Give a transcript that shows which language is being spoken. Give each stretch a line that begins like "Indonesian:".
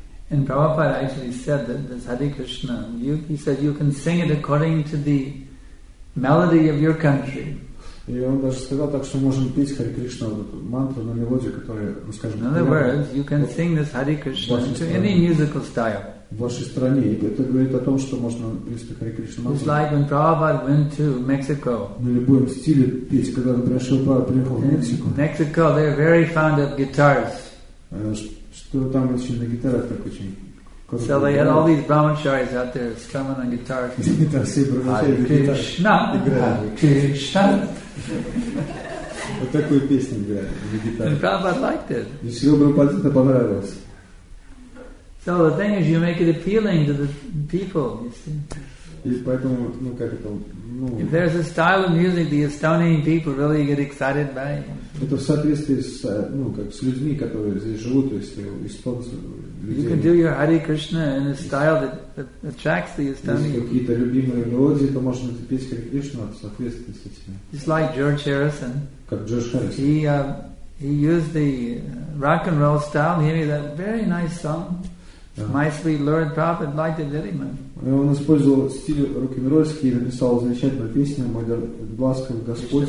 English: And Prabhupada actually said that this Hare Krishna, he said you can sing it according to the melody of your country.
Russian: И он даже сказал так, что можем петь Хари Кришна мантру на мелодию, которая, скажем,
English: in other words, you can sing this Hare Krishna to any musical style.
Russian: В вашей стране. И это говорит о том, что можно петь Хари Кришна мантру.
English: It's like when Prabhupada went to Mexico.
Russian: На любом стиле петь, когда он пришел, приехал в Мексику.
English: Mexico, they're very fond of guitars.
Russian: Что там очень на гитарах так очень.
English: So they had all these brahmacharis out there strumming on guitars.
Sanskrit: Hare Krishna, Hare Krishna.
Russian: Вот такую песню для гитары.
English: Prabhupada liked it.
Russian: И Шрила Прабхупаде это понравилось.
English: So the thing is, you make it appealing to the people, you see. If there's a style of music the Estonian people really get excited by.
Russian: Это в соответствии с, ну, как с людьми, которые здесь живут, то есть эстонцы.
English: You can do your Hare Krishna in a style that attracts the Estonians.
Russian: Если какие-то любимые мелодии, то можно петь Hare Krishna в соответствии с этим.
English: Just like George Harrison.
Russian: Как Джордж Харрисон.
English: He used the rock and roll style. He made that very nice song. My sweet Lord Prabhupada liked it very much.
Russian: Он использовал стиль рок-н-ролльский и написал замечательную песню «Мой ласковый Господь».